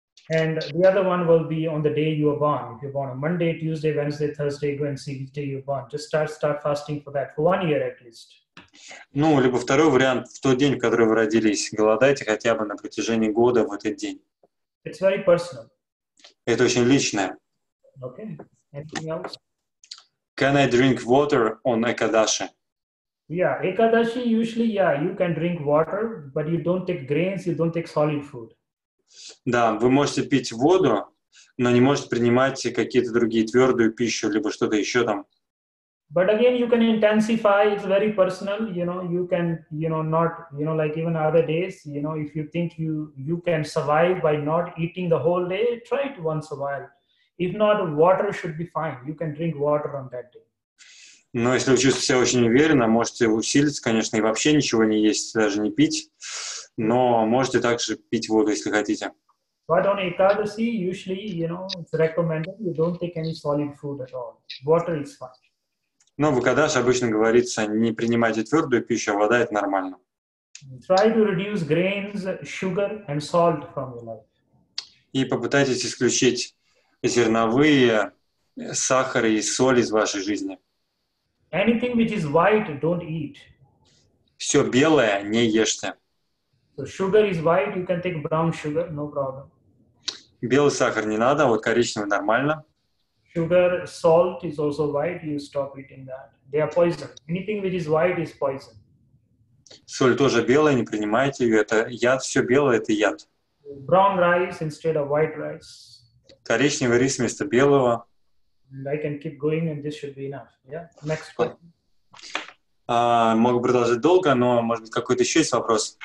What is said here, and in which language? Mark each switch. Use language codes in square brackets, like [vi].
[en] And the other one will be on the day you are born. If you're born on Monday, Tuesday, Wednesday, Thursday, go and see which day you're born. Just start fasting for that for one year at least. [ru] Ну, либо второй вариант, в тот день, в который вы родились, голодайте хотя бы на протяжении года в этот день. [en] It's very personal. [ru] Это очень личное. [en] Okay. Anything else? Can I drink water on Ekadashi? Yeah, Ekadashi usually, yeah, you can drink water, but you don't take grains, you don't take solid food. [ru] Да, вы можете пить воду, но не можете принимать какие-то другие твердую пищу, либо что-то еще там. [en] But again, you can intensify, it's very personal, you know, you can, you know, not, you know, like even other days, you know, if you think you can survive by not eating the whole day, try it once a while. If not, water should be fine, you can drink water on that day. [ru] Но если вы чувствуете себя очень уверенно, можете усилиться, конечно, и вообще ничего не есть, даже не пить, но можете также пить воду, если хотите. [en] But on Ekadasi, usually, you know, it's recommended you don't take any solid food at all. Water is fine. [ru] Но в Экадаши обычно говорится, не принимайте твердую пищу, а вода – это нормально. [en] Try to reduce grains, sugar and salt from your life. [ru] и попытайтесь исключить зерновые, сахар и соль из вашей жизни. [en] Anything which is white, don't eat. [ru] Все белое не ешьте. [en] So sugar is white, you can take brown sugar, no problem. [ru] Белый сахар не надо, вот коричневый нормально. [en] Sugar, salt is also white, you stop eating that. They are poison. Anything which is white is poison. [ru] Соль тоже белая, не принимайте ее, это яд, все белое это яд. [en] Brown rice instead of white rice. [ru] Коричневый рис вместо белого. [en] And I can keep going and this should be enough. Yeah, next question. [ru] Могу продолжить долго, но, может быть, какой-то еще есть вопрос.